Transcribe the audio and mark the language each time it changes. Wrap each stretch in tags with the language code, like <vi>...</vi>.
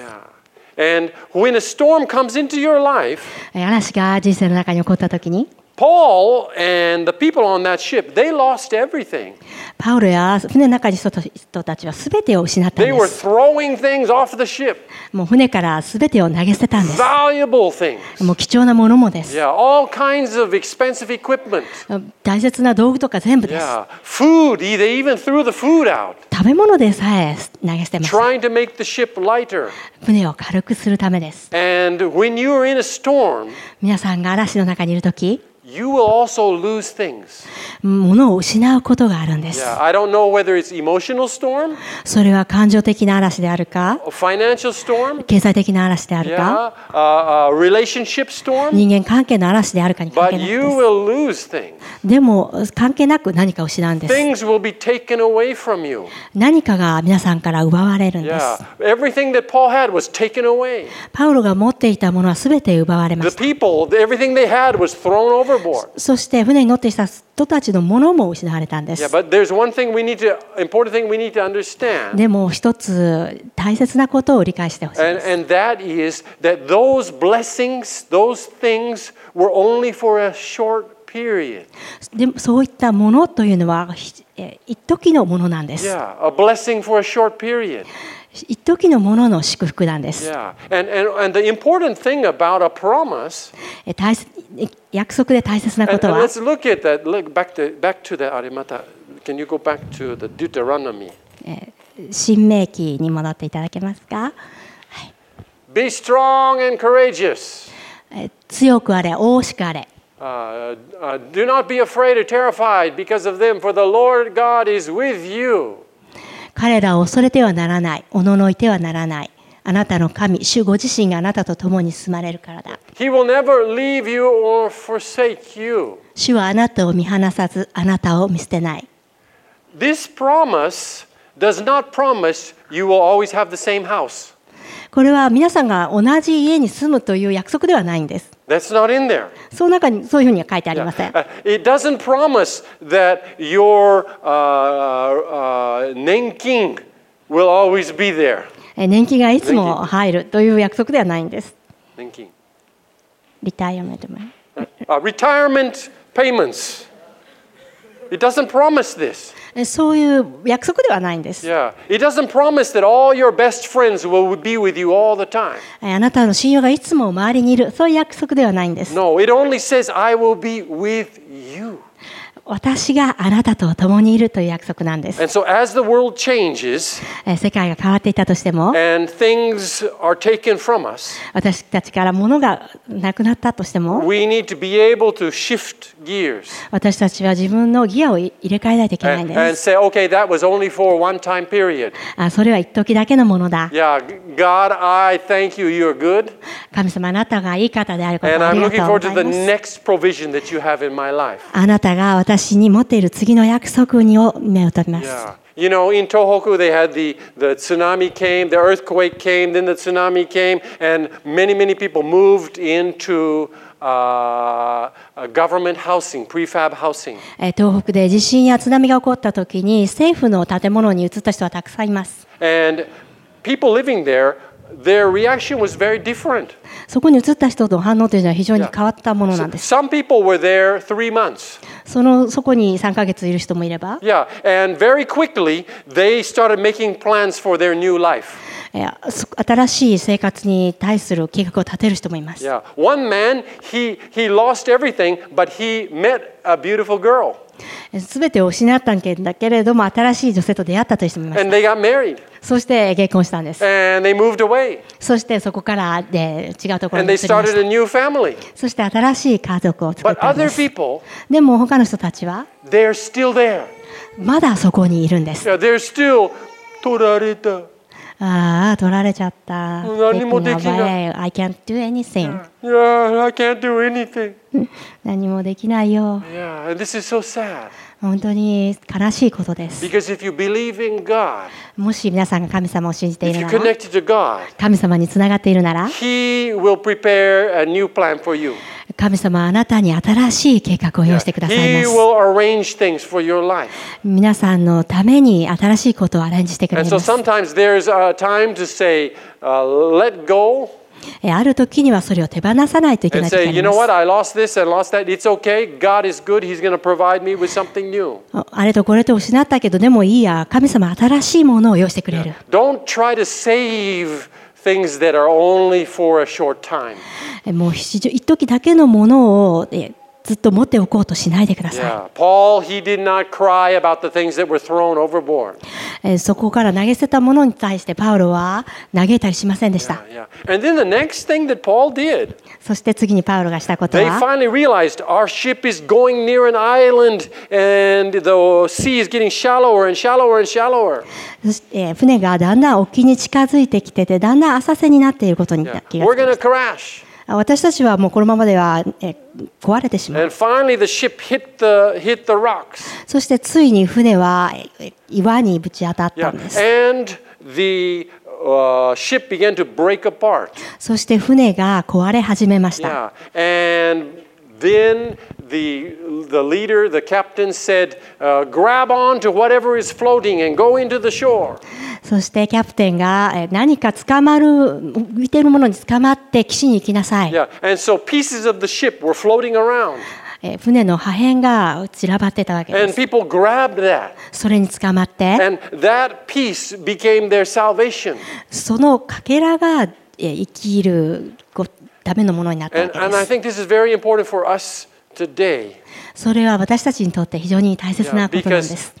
<en>Yeah. And when a storm comes into your life,</en> <ja>嵐が人生の中に起こった時に、</ja> <en>Paul and the people on that ship, they lost everything.</en> <ja>パウロや船の中に人たちは全てを失ったんです。</ja> <en>They were throwing things off the ship.</en> <ja>もう船から全てを投げ捨てたんです。</ja> <en>Valuable things.</en> <ja>もう貴重なものもです。</ja> <en>Yeah, all kinds of expensive equipment.</en> <ja>大切な道具とか全部です。</ja> <en>Yeah, food. They even threw the food out.</en> <ja>食べ物でさえ投げ捨てます。</ja> <en>Trying to make the ship lighter.</en> <ja>船を軽くするためです。</ja> <en>And when you are in a storm,</en> <ja>皆さんが嵐の中にいるとき、</ja> <en>you will also lose things.</en> <ja>物を失うことがあるんです。</ja> <en>Yeah, I don't know whether it's emotional storm.</en> <ja>それは感情的な嵐であるか、</ja> <en>financial storm.</en> <ja>経済的な嵐であるか、</ja> <en>relationship storm.</en> <ja>人間関係の嵐であるかに関係なくです。</ja> <en>But you will lose things.</en> <ja>でも関係なく何かを失うんです。</ja> <en>Things will be taken away from you.</en> <ja>何かが皆さんから奪われるんです。</ja> <en>Yeah, everything that Paul had was taken away.</en> <ja>パウロが持っていたものは全て奪われました。</ja> <en>The people, everything they had was thrown over. overboard.</en> <ja>そして船に乗っていた人たちのものも失われたんです。</ja> <en>Yeah, but there's one thing we need to, important thing we need to understand.</en> <ja>でも一つ大切なことを理解してほしいです。</ja> <en>And that is that those blessings, those things were only for a short period.</en> <ja>でもそういったものというのは一時のものなんです。</ja> <en>Yeah, a blessing for a short period.</en> <ja>一時のものの祝福なんです。大切、約束で大切なことは、</ja> <en>and let's look at that. Look back to the</en> <ja>あれまた、</ja> <en>can you go back to the Deuteronomy?</en> <ja>申命記に戻っていただけますか。</ja> <en>Be strong and courageous.</en> <ja>強くあれ、大しくあれ。</ja> <en>Do not be afraid or terrified because of them, for the Lord God is with you.</en> <ja>彼らを恐れてはならない、おののいてはならない。あなたの神、主ご自身があなたと共に住まれるからだ。</ja> <en>He will never leave you or forsake you.</en> <ja>主はあなたを見放さず、あなたを見捨てない。</ja> <en>This promise does not promise you will always have the same house.</en> <ja>これは皆さんが同じ家に住むという約束ではないんです。</ja> <en>That's not in there.</en> <ja>その中にそういうふうには書いてありません。</ja> <en>It doesn't promise that your年金 will always be there.</en> <ja>年金がいつも入るという約束ではないんです。年金。</ja> <en>Retirement money. Retirement payments. It doesn't promise this.</en> <ja>そういう約束ではないんです。</ja> <en>Yeah. It doesn't promise that all your best friends will be with you all the time.</en> <ja>あなたの親友がいつも周りにいる、そういう約束ではないんです。</ja> <en>No, it only says I will be with you.</en> <ja>私があなたと共にいるという約束なんです。</ja> <en>And so as the world changes,</en> <ja>世界が変わっていたとしても、</ja> <en>and things are taken from us,</en> <ja>私たちから物がなくなったとしても、</ja> <en>we need to be able to shift gears.</en> <ja>私たちは自分のギアを入れ替えないといけないんです。</ja> <en>And say, okay, that was only for one time period.</en> <ja>それは一時だけのものだ。</ja> <en>Yeah, God, I thank you, you're good.</en> <ja>神様、あなたがいい方であることをありがとう。</ja> <en>And I'm looking forward to the next provision that you have in my life.</en> <ja>あなたが私に持っている次の約束にを目を取ります。</ja> <en>Yeah. You know, in Tohoku, they had the tsunami came, the earthquake came, then the tsunami came, and many, many people moved into government housing, prefab housing.</en> <ja>東北で地震や津波が起こった時に政府の建物に移った人はたくさんいます。</ja> <en>And people living there, their reaction was very different.</en> <ja>そこに移った人の反応というのは非常に変わったものなんです。</ja> <en>Some people were there 3 months.</en> <ja>そこに3ヶ月いる人もいれば、</ja> <en>yeah. And very quickly, they started making plans for their new life.</en> <ja>新しい生活に対する計画を立てる人もいます。</ja> <en>Yeah. One man, he lost everything, but he met a beautiful girl.</en> <ja>全てを失ったんだけれども、新しい女性と出会ったという人もいました。</ja> <en>And they got married.</en> <ja>そして結婚したんです。</ja> <en>And they moved away.</en> <ja>そしてそこから、ね、違うところに移りました。</ja> <en>And they started a new family.</en> <ja>そして新しい家族を作ったんです。</ja> <en>But other people,</en> <ja>でも他の人たちは、</ja> <en>they're still there.</en> <ja>まだそこにいるんです。</ja> <en>Yeah, they're still</en> <ja>取られた。ああ、取られちゃった。何もできない。</ja> <en>I can't do anything. Yeah, I can't do anything.</en> <ja>何もできないよ。</ja> <en>Yeah, this is so sad.</en> <ja>本当に悲しいことです。</ja> <en>Because if you believe in God,</en> <ja>もし皆さんが神様を信じているなら、</ja> <en>if you're connected to God,</en> <ja>神様につながっているなら、</ja> <en>He will prepare a new plan for you.</en> <ja>神様はあなたに新しい計画を用意してくださいます。</ja> <en>He will arrange things for your life.</en> <ja>皆さんのために新しいことをアレンジしてくれます。</ja> <en>And so sometimes there's a time to say, let go.</en> <ja>ある時にはそれを手放さないといけない。</ja> <en>You know what? I lost this and lost that. It's okay. God is good. He's going to provide me with something new.</en> <ja>あれとこれと失ったけどでもいいや。神様新しいものを用意してくれる。</ja> <en>Don't try to save things that are only for a short time.</en> <ja>もう一時だけのものをずっと持っておこうとしないでください。</ja> <en>Paul, he did not cry about the things that were thrown overboard.</en> <ja>そこから投げ捨てたものに対してパウロは嘆いたりしませんでした。</ja> <en>And then the next thing that Paul did,</en> <ja>そして次にパウロがしたことは、</ja> <en>they finally realized our ship is going near an island and the sea is getting shallower and shallower and shallower.</en> <ja>船がだんだん沖に近づいてきててだんだん浅瀬になっていることに気がついた。</ja> <en>We're gonna crash.</en> <ja>私たちはもうこのままでは壊れてしまう。</ja> <en>And finally the ship hit the rocks.</en> <ja>そしてついに船は岩にぶち当たったんです。</ja> <en>Yeah. And the ship began to break apart.</en> <ja>そして船が壊れ始めました。</ja> <en>Yeah. And then the leader, the captain said, grab on to whatever is floating and go into the shore.</en> <ja>そしてキャプテンが何か捕まる浮いてるものに捕まって岸に行きなさい。</ja> <en>Yeah, and so pieces of the ship were floating around.</en> <ja>船の破片が散らばってたわけです。</ja> <en>And people grabbed that.</en> <ja>それに捕まって。</ja> <en>And that piece became their salvation.</en> <ja>そのかけらが生きるためのものになったわけです。</ja> <en>And I think this is very important for us today.</en> <ja>それは私たちにとって非常に大切なことなんです。</ja>